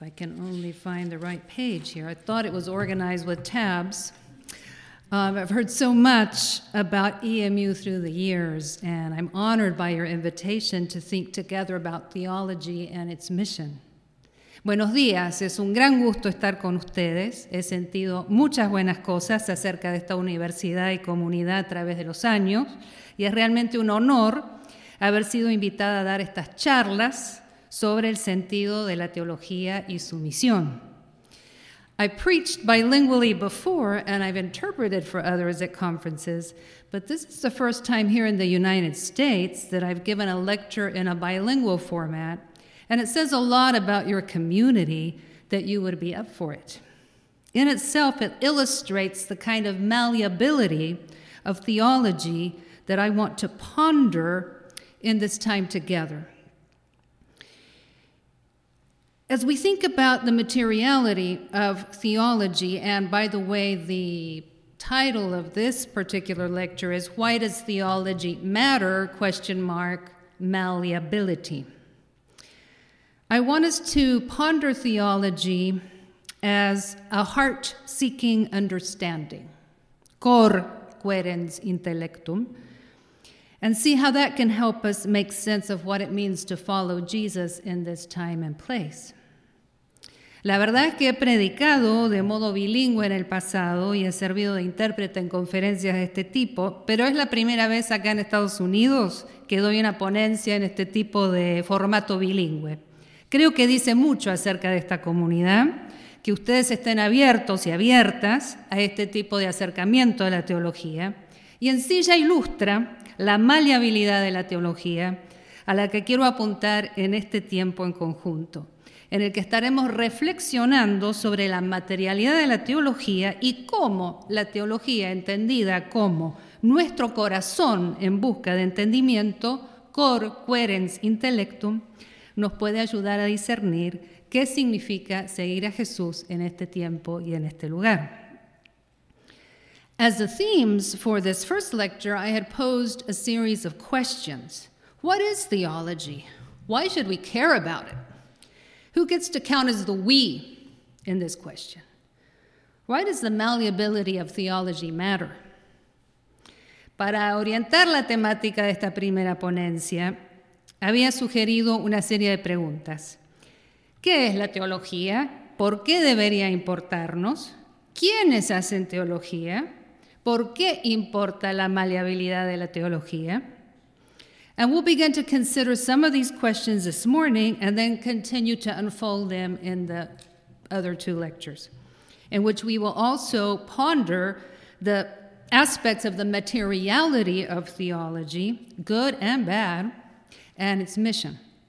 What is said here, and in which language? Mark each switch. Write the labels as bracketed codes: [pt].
[en] I can only find the right page here. I thought it was organized with tabs. I've heard so much about EMU through the years, and I'm honored by your invitation to think together about theology and its mission. [es] Buenos días. Es un gran gusto estar con ustedes. He sentido muchas buenas cosas acerca de esta universidad y comunidad a través de los años, y es realmente un honor haber sido invitada a dar estas charlas sobre el sentido de la teología y su misión. [en] I preached bilingually before, and I've interpreted for others at conferences, but this is the first time here in the United States that I've given a lecture in a bilingual format, and it says a lot about your community that you would be up for it. In itself, it illustrates the kind of malleability of theology that I want to ponder in this time together. As we think about the materiality of theology, and by the way, the title of this particular lecture is Why Does Theology Matter? Malleability. I want us to ponder theology as a heart-seeking understanding, [la] cor querens intellectum, [en] and see how that can help us make sense of what it means to follow Jesus in this time and place. [es] La verdad es que he predicado de modo bilingüe en el pasado y he servido de intérprete en conferencias de este tipo, pero es la primera vez acá en Estados Unidos que doy una ponencia en este tipo de formato bilingüe. Creo que dice mucho acerca de esta comunidad, que ustedes estén abiertos y abiertas a este tipo de acercamiento a la teología, y en sí ya ilustra la maleabilidad de la teología a la que quiero apuntar en este tiempo en conjunto, en el que estaremos reflexionando sobre la materialidad de la teología y cómo la teología, entendida como nuestro corazón en busca de entendimiento, [la] cor querens intellectum, [es] nos puede ayudar a discernir qué significa seguir a Jesús en este tiempo y en este lugar. [en] As the themes for this first lecture, I had posed a series of questions. What is theology? Why should we care about it? Who gets to count as the we in this question? Why does the malleability of theology matter? [es] Para orientar la temática de esta primera ponencia, había sugerido una serie de preguntas. ¿Qué es la teología? ¿Por qué debería importarnos? ¿Quiénes hacen teología? ¿Por qué importa la maleabilidad de la teología? [en] And we'll begin to consider some of these questions this morning and then continue to unfold them in the other two lectures, in which we will also ponder the aspects of the materiality of theology, good and bad, and its mission.